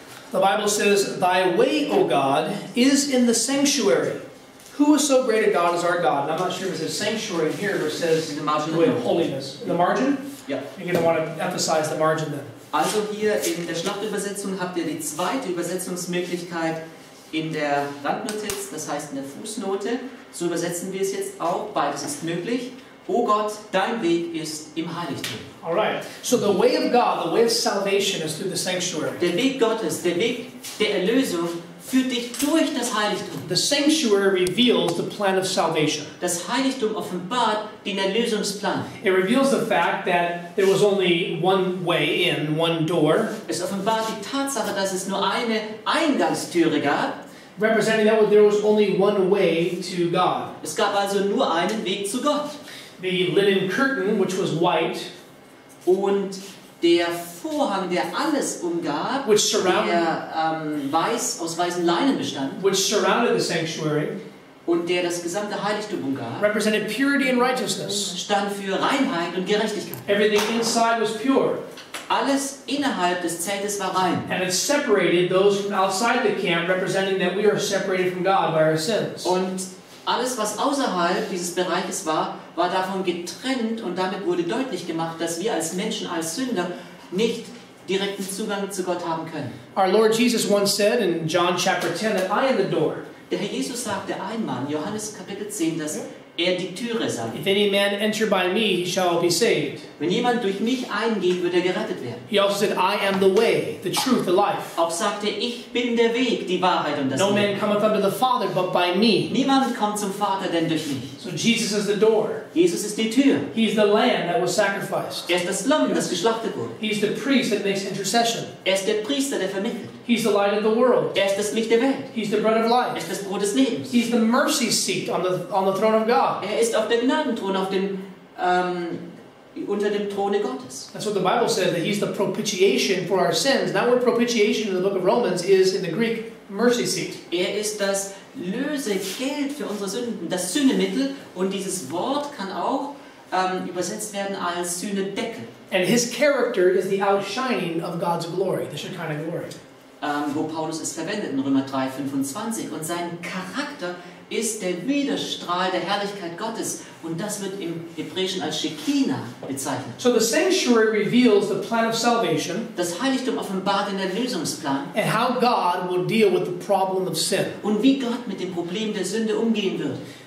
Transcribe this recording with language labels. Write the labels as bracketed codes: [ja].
[en] The Bible says, "Thy way, O God, is in the sanctuary. Who is so great a God as our God?" And I'm not sure if it says sanctuary here or says in the margin, the way of holiness. In the margin? Yeah. You're going to want to emphasize the margin then. [de] Also hier in der Schlachtübersetzung habt ihr die zweite Übersetzungsmöglichkeit in der Randnotiz, das heißt in der Fußnote. So übersetzen wir es jetzt auch. Beides ist möglich. O Gott, dein Weg ist im Heiligtum. [en] All right. So the way of God, the way of salvation is through the sanctuary. [de] Der Weg Gottes, der Weg der Erlösung führt dich durch das Heiligtum. [en] The sanctuary reveals the plan of salvation. [de] Das Heiligtum offenbart den Erlösungsplan. [en] It reveals the fact that there was only one way in, one door. [de] Es offenbart die Tatsache, dass es nur eine Eingangstüre gab. [en] Representing that there was only one way to God. [de] Es gab also nur einen Weg zu Gott. [en] The linen curtain, which was white, [de] und der Vorhang, der alles umgab, der weiß, aus weißen Leinen bestand, [en] which surrounded the sanctuary, [de] und der das gesamte Heiligtum umgab, [en] represented purity and righteousness, [de] stand für Reinheit und Gerechtigkeit. [en] Everything inside was pure. [de] Alles innerhalb des Zeltes war rein. [en] And it separated those from outside the camp, representing that we are separated from God by our sins. [de] Und alles, was außerhalb dieses Bereiches war, war davon getrennt und damit wurde deutlich gemacht, dass wir als Menschen, als Sünder, nicht direkten Zugang zu Gott haben können. [en] Our Lord Jesus once said in John chapter 10 that I am the door. [de] Der Herr Jesus sagte einmal in Johannes Kapitel 10, dass er die Türe sein. [en] If any man enter by me, he shall be saved. [de] Wenn jemand durch mich eingeht, wird er gerettet werden. [en] He also said, I am the way, the truth, the life. [de] Auch sagte, ich bin der Weg, die Wahrheit und das [en] no [de] Leben. [en] Man cometh unto the Father, but by me. [de] Niemand kommt zum Vater, denn durch mich. [en] So Jesus is the door. [de] Jesus ist die Tür. [en] He is the lamb that was sacrificed. [de] Er ist das Lamm, das geschlachtet wurde. [en] He is the priest that makes intercession. [de] Er ist der Priester, der vermittelt. [en] He's the light of the world. [de] Er ist das Licht der Welt. [en] He's the bread of life. [de] Er ist das Brot des Lebens. [en] He's the mercy seat on the throne of God. [de] Er ist auf dem Gnadenthron, auf dem unter dem Throne Gottes. [en] That's what the Bible says, that he's the propitiation for our sins. That word propitiation in the book of Romans is in the Greek mercy seat. [de] Er ist das Lösegeld für unsere Sünden, das Sühnemittel, und dieses Wort kann auch übersetzt werden als Sühnedeckel. [en] And his character is the outshining of God's glory, the Shekinah glory. [de] Wo Paulus es verwendet in Römer 3, 25. Und sein Charakter ist der Widerstrahl der Herrlichkeit Gottes. Und das wird im Hebräischen als Shekinah bezeichnet. [en] So the sanctuary reveals the plan of salvation. [de] Das Heiligtum offenbart den Erlösungsplan. [en] And how God will deal with the problem of sin. [de] Und wie Gott mit dem Problem der Sünde umgehen wird.